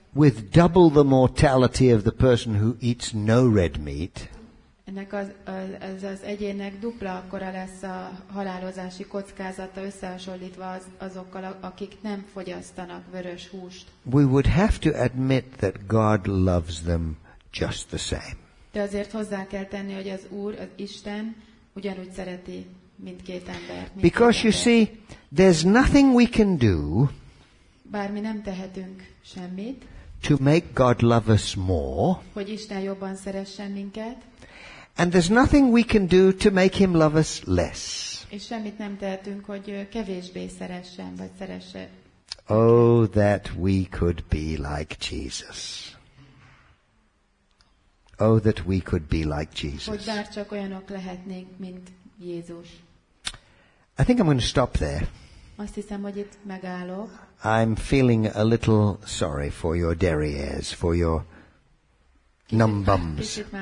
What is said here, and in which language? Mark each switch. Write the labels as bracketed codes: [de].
[en] With double the mortality of the person who eats no red meat. [hu] Ennek az egyének dupla akkora lesz a halálozási kockázata összehasonlítva azokkal, akik nem fogyasztanak vörös húst. [en] We would have to admit that God loves them just the same. [hu] De azért hozzá kell tenni, hogy az Úr, az Isten ugyanúgy szereti mindkét ember. [en] Because you see, there's nothing we can do. [hu] Bár mi nem tehetünk semmit. [en] To make God love us more. [hu] Hogy Isten jobban szeressen minket. [en] And there's nothing we can do to make him love us less. [hu] És semmit nem tehetünk, hogy kevésbé szeressen, vagy szeresse. [en] Oh, that we could be like Jesus. Oh, that we could be like Jesus. [hu] Hogy bár csak olyanok lehetnénk, mint Jézus. [en] I think I'm going to stop there. [hu] Azt hiszem, hogy itt megállok. [en] I'm feeling a little sorry for your derrières, for your numbums.